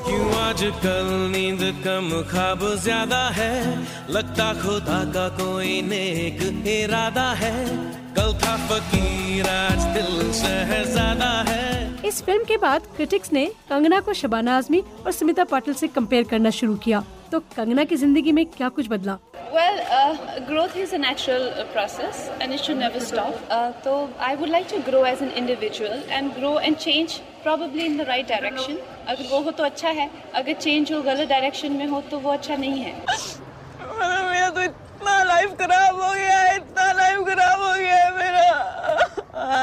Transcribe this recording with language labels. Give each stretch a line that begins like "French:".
Urdu: کیوں آج کل نیند کم خواب زیادہ ہے، لگتا خدا کا کوئی نیک ارادہ ہے، کل تھا فقیر آج دل شہزادہ ہے۔ اس فلم کے بعد کرٹکس نے کنگنا کو شبانہ اعظمی اور سمیتا پاٹل سے کمپیئر کرنا شروع کیا، تو کنگنا کی زندگی میں کیا کچھ بدلا؟
English: Well, growth is a natural process and it should never stop. So I would like to grow as an individual and grow and change probably in the right direction.
Urdu: اگر وہ ہو تو اچھا ہے، اگر چینج ہو غلط ڈائریکشن میں ہو تو وہ اچھا نہیں ہے۔ میرا تو اتنا لائف خراب ہو گیا، اتنا لائف خراب ہو گیا میرا۔